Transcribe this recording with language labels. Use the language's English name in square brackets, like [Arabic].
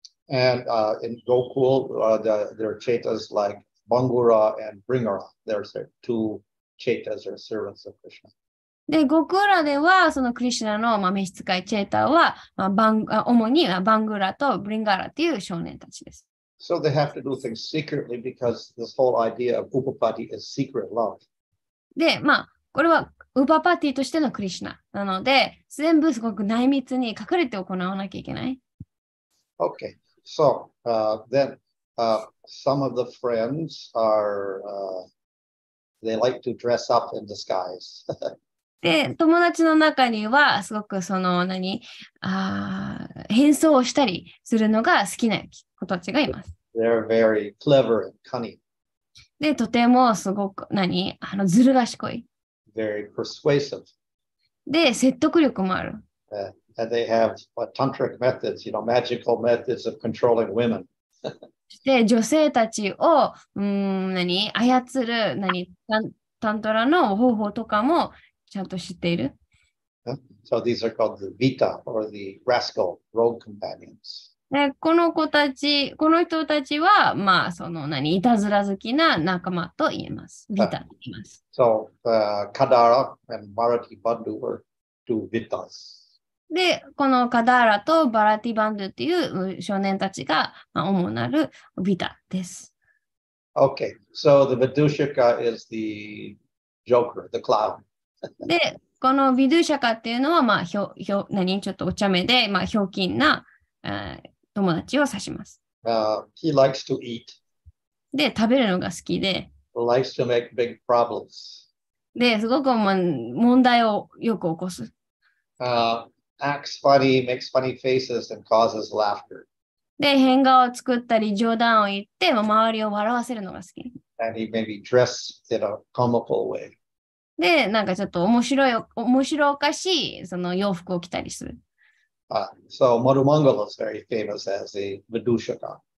[English] And in Gokul, there are chetas like Bangura and Bringara. There are two chetas or servants of Krishna. [Japanese] で、ゴクラでは、そのクリシナの、まあ、召使いチェータは、まあ、主にバングラとブリンガラという少年たちです。 [English] So they have to do things secretly because this whole idea of Upapati is secret love. [Japanese] で、まあ、これはウパパティとしてのクリシナなので、全部すごく内密に隠れて行わなきゃいけない。 [English] Okay, so then some of the friends are they like to dress up in disguise. [Japanese] で、友達の中にはすごくその何変装をしたりするのが好きな子たちがいます。 [English] They're very clever and cunning. [Japanese] で、とてもすごく何ずる賢い。 [English] Very persuasive. [Japanese] で、説得力もある。 [English] And they have tantric methods, you know, magical methods of controlling women. [Japanese] で、女性たちを、操る、タントラの方法とかもちゃんと知っている。 [English] So these are called the Vita or the rascal rogue companions. [Japanese] で、この子たち、この人たちは、まあ、その、いたずら好きな仲間と言えます。 Vita と言います。 [English] So, Kadara and Bharati Bandhu were two Vitas. [Japanese] で、このカダーラとバラティバンドゥという少年たちが主なるビタです。 [English] Okay, so the Vidushika is the joker, the clown. [Japanese] で、このヴィドゥシャカっていうのは、まあ、何ちょっとお茶目で、まあ、ひょうきんな、友達を指します。 [English] He likes to eat. [Japanese] で、食べるのが好きで。 [English] Likes to make big problems. [Japanese] で、すごく、まあ、問題をよく起こす。 [English] Acts funny, makes funny faces, and causes laughter. [Japanese] で、変顔を作ったり、冗談を言って、まあ、周りを笑わせるのが好き。 [English] And he may be dressed in a comical way. [Japanese] で、なんかちょっと面白おかしいその洋服を着たりする。 [English] So, Madhumangala is very famous as a Vidushaka.